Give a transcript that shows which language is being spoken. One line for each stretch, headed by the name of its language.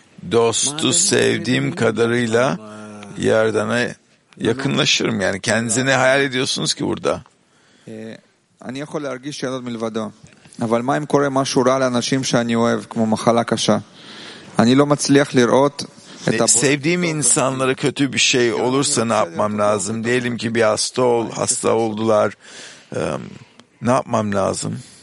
Turkish: Dostu sevdiğim kadarıyla yerdene yakınlaşırım. Yani kendinizi ne hayal ediyorsunuz ki burada?
Hebrew: אני יכול להרגיש שאלות מלבדו. אבל מה אם קורה משהו רע לאנשים שאני אוהב, כמו מחלה קשה? אני לא מצליח לראות את הבורא.
Turkish: Sevdiğim insanlara kötü bir şey olursa ne yapmam lazım? Diyelim ki bir hasta oldular. Ne yapmam lazım?